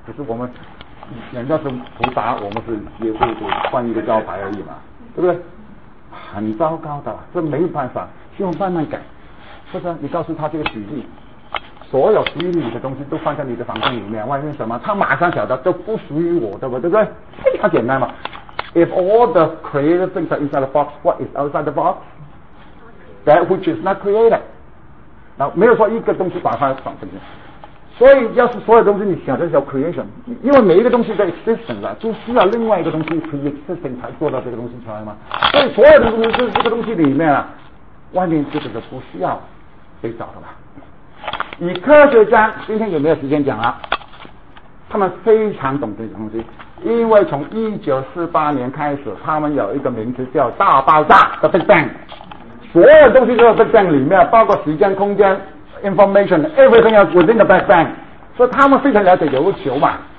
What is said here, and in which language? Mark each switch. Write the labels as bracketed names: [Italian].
[Chinese] 只是我们人家是不答，我们是也会换一个招牌而已嘛，对不对？很糟糕的，这没办法，希望慢慢改，是不是？你告诉他这个举例，所有属于你的东西都放在你的房间里面，外面什么他马上晓得，都不属于我的，对不对？非常简单嘛。 [English] If all the created things are inside the box, what is outside the box? That which is not created. [Chinese] 那没有说一个东西把它放进去。所以要是所有东西你想的叫 creation， 因为每一个东西在 existence 啊，就需要另外一个东西 existence 才做到这个东西出来嘛。所以所有的东西是这个东西里面啊，外面这个是不需要被找的了。以科学家今天有没有时间讲啊，他们非常懂这些东西，因为从1948年开始他们有一个名字叫大爆炸 The Big Bang， 所有东西都在 Big Bang 里面，包括时间空间 [English] information everything is within the Big Bang， [Chinese] 所以他们非常了解有个球嘛。